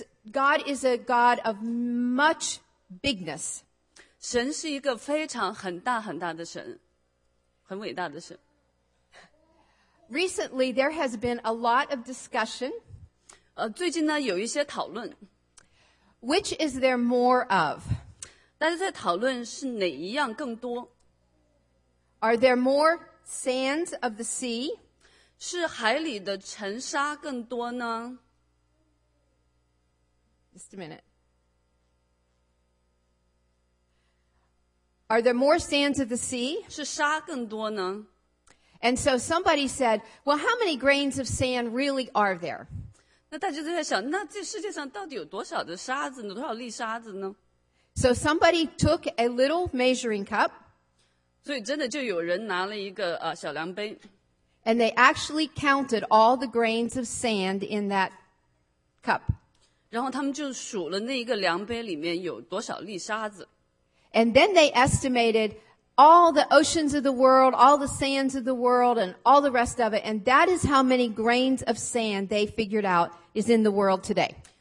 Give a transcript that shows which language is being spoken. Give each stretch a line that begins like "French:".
English: God is a God of much bigness.
Chinese: 神是一个非常很大很大的神，很伟大的神。
English: Recently, there has been a lot of discussion.
Chinese: 最近呢有一些讨论。
English: Which is there more of?
Chinese: 大家在讨论是哪一样更多？
English: Are there more sands of the sea?
Chinese: 是海里的尘沙更多呢？
English: Just a minute. Are there more sands of the sea?
Chinese: 是沙更多呢？
English: And so somebody said, well, how many grains of sand really are there?
Chinese: 那大家都在想，那这世界上到底有多少的沙子呢？多少粒沙子呢？
English: So somebody took a little measuring cup.
Chinese: 所以真的就有人拿了一个小量杯。
English: And they actually counted all the grains of sand in that cup.
Chinese: 然后他们就数了那个量杯里面有多少粒沙子。
English: And then they estimated all the oceans of the world, all the sands of the world, and all the rest of it. And that is how many grains of sand they figured out is in the world today.